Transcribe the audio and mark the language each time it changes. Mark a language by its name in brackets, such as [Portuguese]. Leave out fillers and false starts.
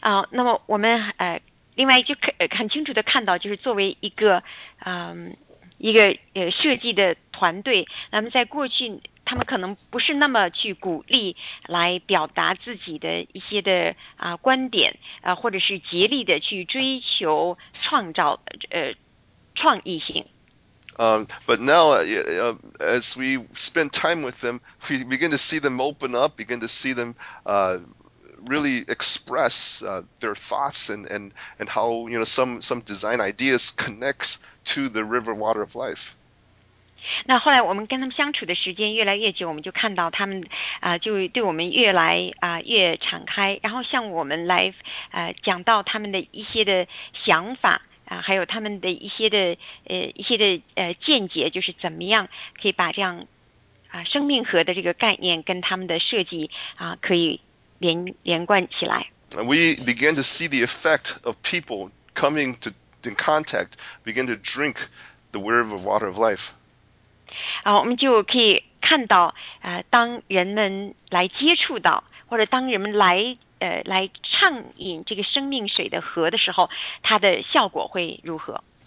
[Chinese] 那么我们另外就很清楚的看到，就是作为一个，一个设计的团队，那么在过去，他们可能不是那么去鼓励来表达自己的一些的啊、观点啊、或者是竭力的去追求创造创意性。 [English] But now, as we spend time with them, we begin to see them open up, begin to see them, really express their thoughts and how, you know, some design ideas connects to the river water of life. [Chinese] 那后来我们跟他们相处的时间越来越久，我们就看到他们就对我们越来越敞开，然后向我们来讲到他们的一些的想法还有他们的一些的见解，就是怎么样可以把这样生命核的这个概念跟他们的设计可以连贯起来。 [English] We began to see the effect of people coming to in contact begin to drink the river of water of life. [Chinese] 我们就可以看到当人们来接触到或者当人们来畅饮这个生命水的河的时候，它的效果会如何？